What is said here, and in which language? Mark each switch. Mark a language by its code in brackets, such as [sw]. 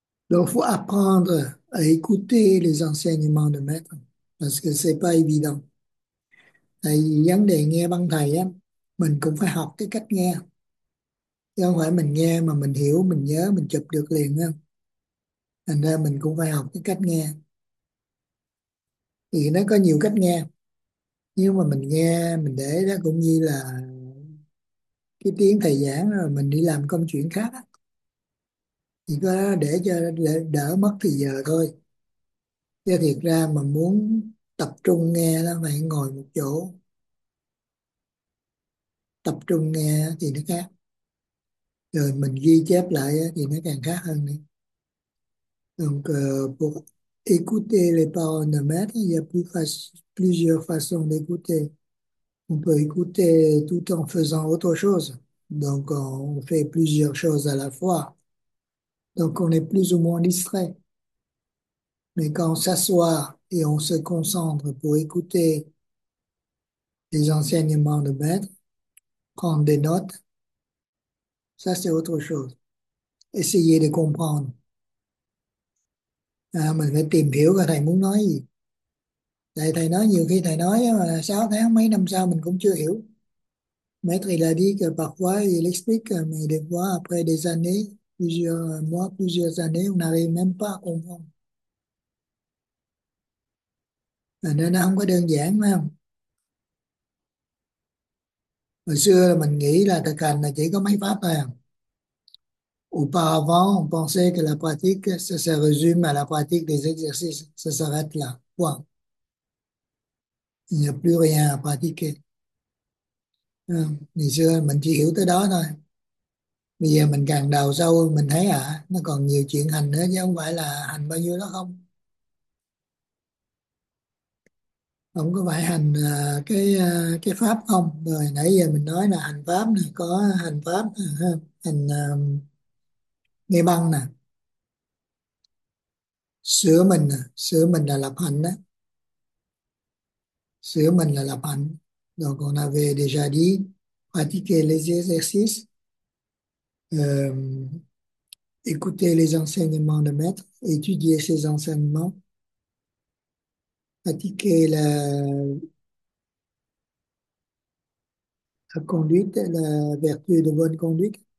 [fr] Donc, il faut apprendre à écouter les enseignements de maître parce que c'est pas évident. [vi] Tại vì vấn đề nghe băng thầy á, mình cũng phải học cái cách nghe. Chứ không phải mình nghe mà mình hiểu, mình nhớ, mình chụp được liền á. Thành ra mình cũng phải học cái cách nghe. Thì nó có nhiều cách nghe. Nhưng mà mình nghe, mình để đó cũng như là cái tiếng thầy giảng rồi mình đi làm công chuyện khác á. Chỉ có để cho đỡ mất thì giờ thôi. Chứ thiệt ra mà muốn tập trung nghe nó phải ngồi một chỗ. Tập trung nghe thì nó khác. Rồi mình ghi chép lại thì nó càng khác hơn đi. [fr] Donc, pour écouter les paroles de maître, il y a plusieurs façons d'écouter. On peut écouter tout en faisant autre chose. Donc, on fait plusieurs choses à la fois. Donc, on est plus ou moins distrait. Mais quand on s'assoit et on se concentre pour écouter les enseignements de maître, prendre des notes, ça c'est autre chose. Essayer de comprendre. [vi] À, mình phải tìm hiểu coi thầy muốn nói gì. Tại thầy nói nhiều khi thầy nói mà 6 tháng mấy năm sau mình cũng chưa hiểu. Mấy thầy là đi cờ bạc quá thì lịch sử cờ mày được quá à phê đề ra nế bây giờ mốt bây giờ ra nế nào thì mém không là nên nó không có đơn giản phải không. Hồi xưa mình nghĩ là thực hành là chỉ có mấy pháp thôi à. [fr] Auparavant, on pensait que la pratique, ça se résume à la pratique des exercices, ça s'arrête là quoi? Il n'y a plus rien à pratiquer. [vi] À, ngày xưa mình chỉ hiểu tới đó thôi. Bây giờ mình càng đào sâu mình thấy à, nó còn nhiều chuyện hành nữa chứ không phải là hành bao nhiêu đó không. Không có phải hành cái pháp không. Rồi nãy giờ mình nói là hành pháp này, có hành pháp, hành nghe băng nè, sửa mình nè, sửa mình là lập hạnh đó, sửa mình là lập hạnh. [fr] Donc on avait déjà dit pratiquer les exercices, écouter les enseignements de maître, étudier ces enseignements, pratiquer la conduite, la vertu de bonne conduite.